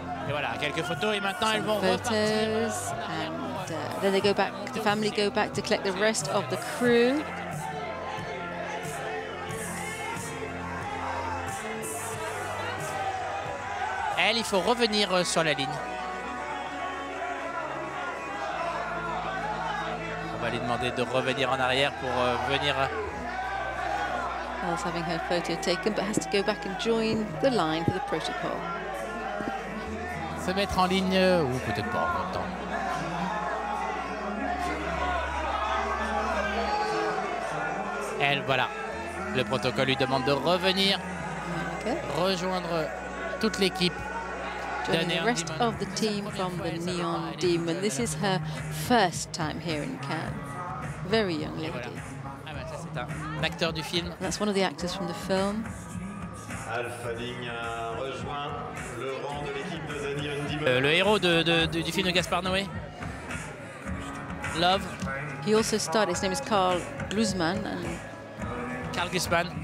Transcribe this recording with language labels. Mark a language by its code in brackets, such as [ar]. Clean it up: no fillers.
[fr] Et voilà, quelques photos et maintenant elles vont repartir. [en] And then they go back, the family go back to collect the rest of the crew. [fr] Elle, il faut revenir sur la ligne. On va lui demander de revenir en arrière pour venir. [en] Elle's having her photo taken but has to go back and join the line for the protocol. [fr] Se mettre en ligne ou peut-être pas en même temps. Elle, voilà. Le protocole lui demande de revenir, [en] okay. [fr] Rejoindre toute l'équipe. [en] Joining the rest of the team from the Neon Demon. This is her first time here in Cannes. Very young lady. [fr] Voilà. Ah ben, ça, c'est un acteur du film. [en] That's one of the actors from the film. [fr] Alpha Ligne a rejoint le rang de l'équipe de The Neon Demon. Le héros du film de Gaspard Noé. Love. [en] He also starred, his name is Karl Glusman. Karl Glusman.